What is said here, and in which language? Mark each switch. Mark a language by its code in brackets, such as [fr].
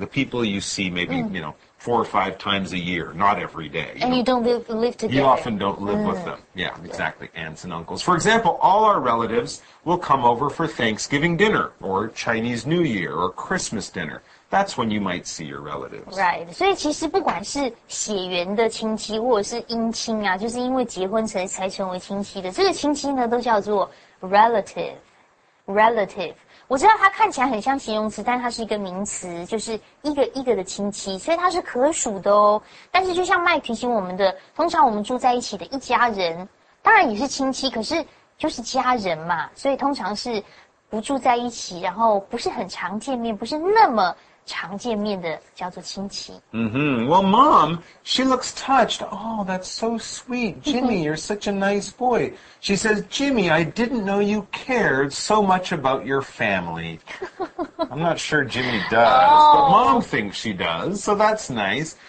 [en] The people you see maybe, you know, 4 or 5 times a year, not every day. You and know? You don't live together. You often don't live with them. Yeah, exactly, aunts and uncles. For example, all our relatives will come over for Thanksgiving dinner or Chinese New Year or Christmas dinner. That's when you might see your relatives. Right. [zh] 所以其实不管是血缘的亲戚或者是姻亲啊，就是因为结婚才成为亲戚的，这个亲戚呢都叫做 relative. [en] Relative. [zh] 我知道它看起来很像形容词，但它是一个名词，就是一个一个的亲戚，所以它是可数的哦。但是就像麦提醒我们的，通常我们住在一起的一家人，当然也是亲戚，可是就是家人嘛，所以通常是不住在一起，然后不是很常见面，不是那么常见面的叫做亲戚。 [en] Well, Mom, she looks touched. Oh, that's so sweet. Jimmy, you're such a nice boy. She says, Jimmy, I didn't know you cared so much about your family. I'm not sure Jimmy does, but Mom thinks she does, so that's nice.